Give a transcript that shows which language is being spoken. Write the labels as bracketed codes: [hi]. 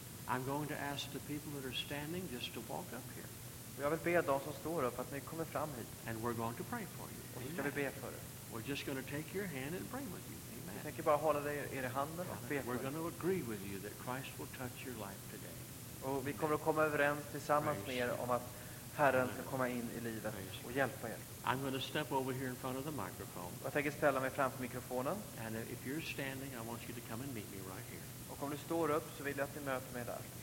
[en] I'm going to ask the people that are standing just to walk up here. [sv] Jag vill be de som står upp att ni kommer fram hit. [en] And we're going to pray for you. [sv] Och ska vi be för er. [en] We're just going to take your hand and pray with you. Amen. [sv] Jag tänker bara hålla dig i handen och be för er. [en] We're going to agree with you that Christ will touch your life today. [sv] Och vi kommer att komma överens tillsammans med er om att Herren ska komma in i livet och hjälpa er. [en] I'm going to step over here in front of the microphone. [sv] Jag tänker ställa mig framför mikrofonen. [en] And if you're standing, I want you to come and meet me right here. [sv] Och om du står upp så vill jag att ni möter mig där.